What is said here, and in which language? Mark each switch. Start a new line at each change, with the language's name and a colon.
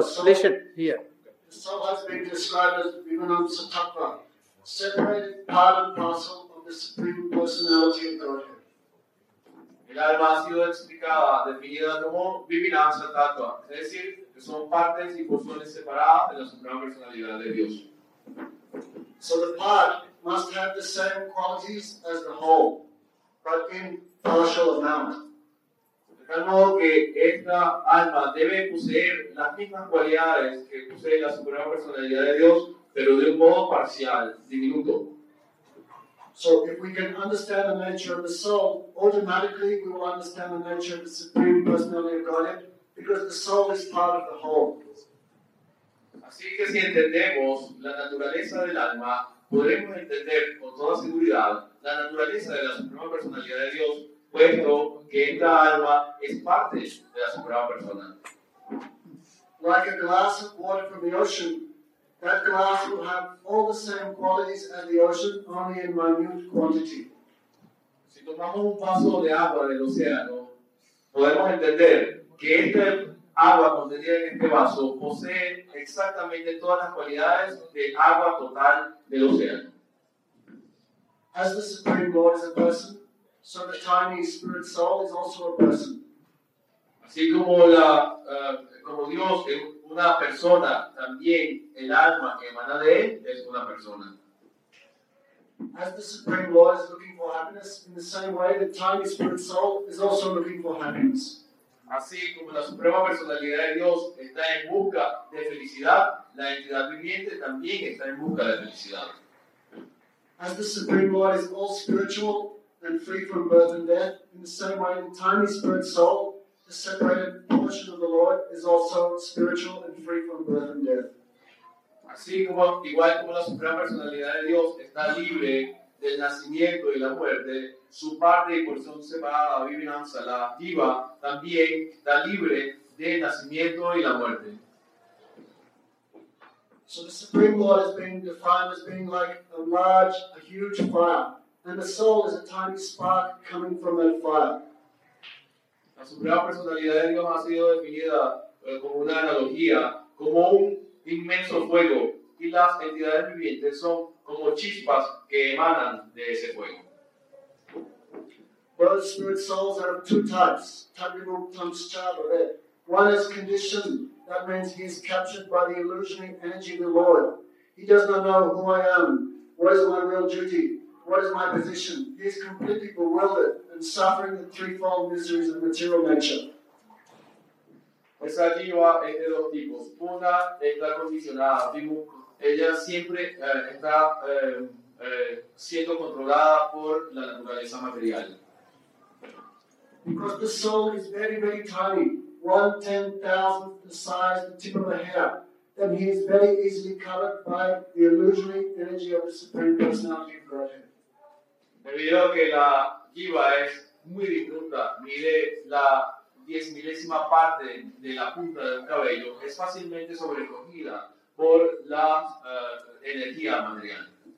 English: has been described as Vivananda Tattva, separate part and parcel of the Supreme Personality of Godhead.
Spanish: El alma ha sido explicada, definida como Vivananda Tattva, es decir, que son partes y porciones separadas de la Suprema Personalidad de Dios.
English: So the part must have the same qualities as the whole, but in partial amount.
Spanish: De modo que esta alma debe poseer las mismas cualidades que posee la Suprema Personalidad de Dios, pero de un modo parcial, diminuto.
English: So, if we can understand the nature of the soul, automatically we will understand the nature of the Supreme Personality of Godhead, because the soul is part of the whole.
Spanish: Así que si entendemos la naturaleza del alma, podremos entender con toda seguridad la naturaleza de la Suprema Personalidad de Dios, puesto que esta alma es parte de la Suprema Persona.
English: Like a glass of water from the ocean, that glass will have all the same qualities as the ocean, only in minute quantity.
Spanish: Si tomamos un vaso de agua del océano, podemos entender que esta agua contenida en este vaso posee exactamente todas las cualidades de agua total del océano.
English: As the Supreme Lord is a person, so the tiny spirit soul is also a person.
Spanish: Así como la como Dios es una persona, también el alma que emana de él es una persona.
English: As the Supreme Lord is looking for happiness, in the same way the tiny spirit soul is also looking for happiness.
Spanish: Así como la Suprema Personalidad de Dios está en busca de felicidad, la entidad viviente también está en busca de felicidad.
English: As the Supreme Lord is all spiritual and free from birth and death, in the same way the tiny spirit soul, the separated portion of the Lord, is also spiritual and free from birth and death.
Spanish: Así como, igual como la Suprema Personalidad de Dios está libre del nacimiento y la muerte, su parte y porción separada, Vivananda, la Jiva, también está libre del nacimiento y la muerte.
English: So the Supreme Lord is being defined as being like a large, a huge fire. And the soul is a tiny spark coming from that fire.
Spanish: La Suprema Personalidad de Dios ha sido definida como una analogía, como un inmenso fuego, y las entidades vivientes son como chispas que emanan de ese fuego.
English: Well, the spirit souls are of two types, tabirum tamschad, or that. One is conditioned, that means he is captured by the illusionary energy of the Lord. He does not know who I am, what is my real duty, what is my position? He is completely bewildered and suffering the threefold miseries of material nature.
Spanish: Esa jiva es de dos tipos. Una está condicionada. Ella siempre está siendo controlada por la naturaleza material.
English: Because the soul is very, very tiny, 1/10,000th the size of the tip of a hair, then he is very easily covered by the illusory energy of the Supreme Personality of Godhead.
Spanish: Debido a que la jiva es muy diminuta, mide la 10,000th parte de la punta de un cabello, es fácilmente sobrecogida por la energía material.